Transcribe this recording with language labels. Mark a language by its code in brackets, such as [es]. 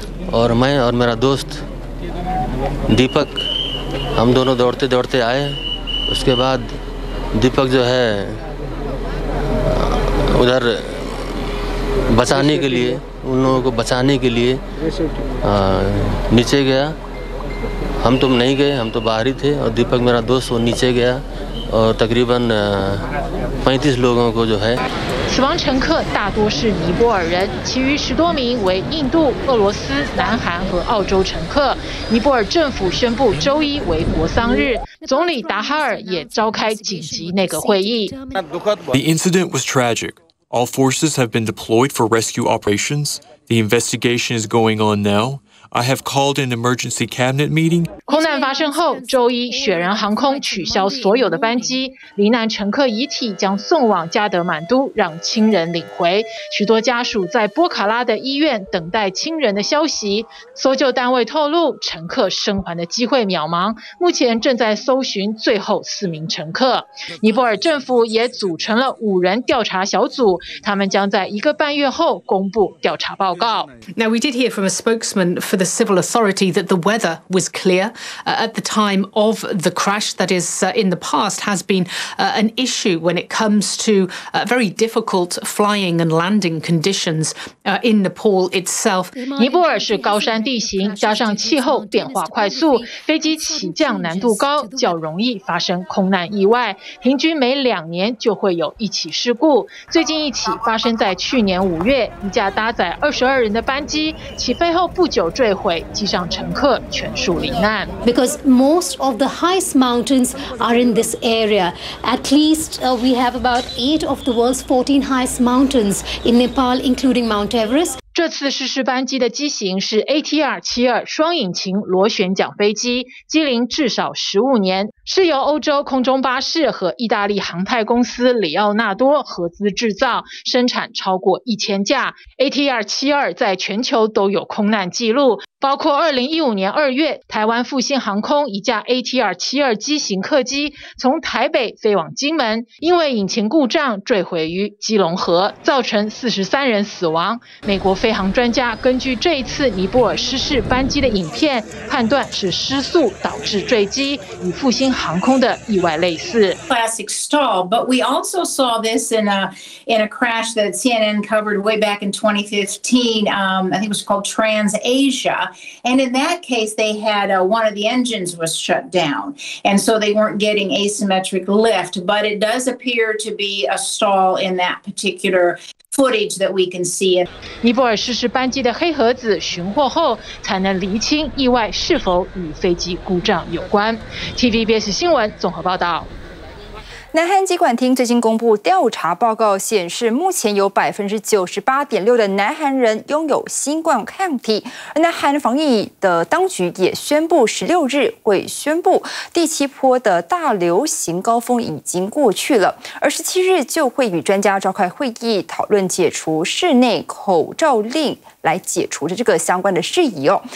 [hi] और मैं और मेरा दोस्त दीपक हम दोनों दौड़ते दौड़ते आए उसके बाद दीपक जो है उधर बचाने के लिए उन लोगों को बचाने के लिए नीचे गया हम तो नहीं गए हम तो बाहरी थे और दीपक मेरा दोस्त वो नीचे गया और तकरीबन 35 लोगों को जो है [zh] 死亡乘客大多是尼泊尔人，其余10多名为印度、俄罗斯、南韩和澳洲乘客。尼泊尔政府宣布周一为国丧日，总理达哈尔也召开紧急内阁会议。 [en] The incident was tragic. All forces have been deployed for rescue operations. The investigation is going on now. I have called an emergency cabinet meeting. [zh] 空难发生后，周一雪人航空取消所有的班机，罹难乘客遗体将送往加德满都，让亲人领回。许多家属在波卡拉的医院等待亲人的消息。搜救单位透露，乘客生还的机会渺茫，目前正在搜寻最后4名乘客。尼泊尔政府也组成了5人调查小组，他们将在1个半月后公布调查报告。 [en] Now we did hear from a spokesman. For the civil authority, that the weather was clear at the time of the crash. That is, in the past, has been an issue when it comes to very difficult flying and landing conditions in Nepal itself. [zh] 尼泊尔是高山地形，加上气候变化快速，飞机起降难度高，较容易发生空难意外。平均每2年就会有一起事故。最近一起发生在去年5月，一架搭载22人的班机起飞后不久。 [en] Because most of the highest mountains are in this area. At least we have about 8 of the world's 14 highest mountains in Nepal, including Mount Everest. [zh] 这次失事班机的机型是 ATR-72 双引擎螺旋桨飞机，机龄至少15年，是由欧洲空中巴士和意大利航太公司里奥纳多合资制造，生产超过1000架。ATR-72 在全球都有空难记录。包括2015年2月台湾复兴航空一架 ATR-72 机型客机从台北飞往金门，因为引擎故障坠毁于基隆河，造成43人死亡。美国飞航专家根据这一次尼泊尔失事班机的影片判断是失速导致坠机，与复兴航空的意外类似。 [en] Classic stall, but we also saw this in a crash that CNN covered way back in 2015. I think it was called TransAsia. And in that case, they had one of the engines was shut down. And so they weren't getting asymmetric lift. But it does appear to be a stall in that particular footage that we can see. [zh] 尼泊尔失事班机的黑盒子寻获后，才能厘清意外是否与飞机故障有关。 TVBS 新闻综合报道。南韩疾管厅最近公布调查报告显示，目前有 98.6% 的南韩人拥有新冠抗体，而南韩防疫的当局也宣布16日会宣布第七波的大流行高峰已经过去了，而17日就会与专家召开会议讨论解除室内口罩令，来解除这个相关的事宜哦。